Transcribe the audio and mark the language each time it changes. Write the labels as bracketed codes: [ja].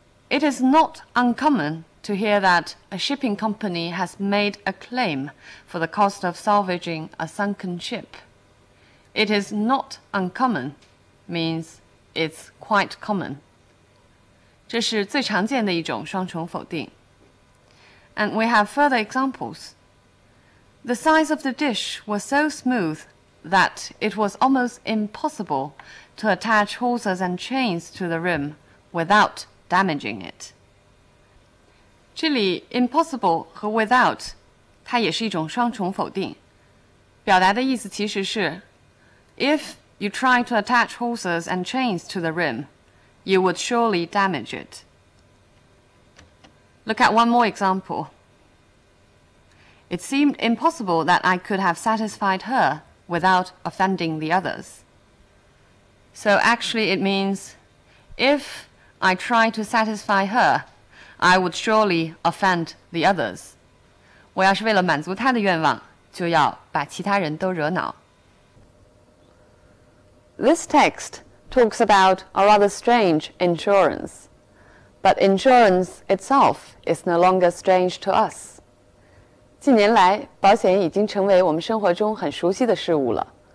[en] It is not uncommon to hear that a shipping company has made a claim for the cost of salvaging a sunken ship. It is not uncommon means it's quite common. [zh] 这是最常见的一种双重否定。 [en] And we have further examples. The size of the dish was so smooth that it was almost impossible. To attach hawsers and chains to the rim without damaging it. [zh] 这里 impossible 和 without 它也是一种双重否定。表达的意思其实是 [en] If you try to attach hawsers and chains to the rim, you would surely damage it. Look at one more example. It seemed impossible that I could have satisfied her without offending the others. So actually it means, if I try to satisfy her, I would surely offend the others. [zh] 我要是为了满足她的愿望，就要把其他人都惹恼。 [en] This text talks about a rather strange insurance. But insurance itself is no longer strange to us. [zh] 近年来，保险已经成为我们生活中很熟悉的事物了。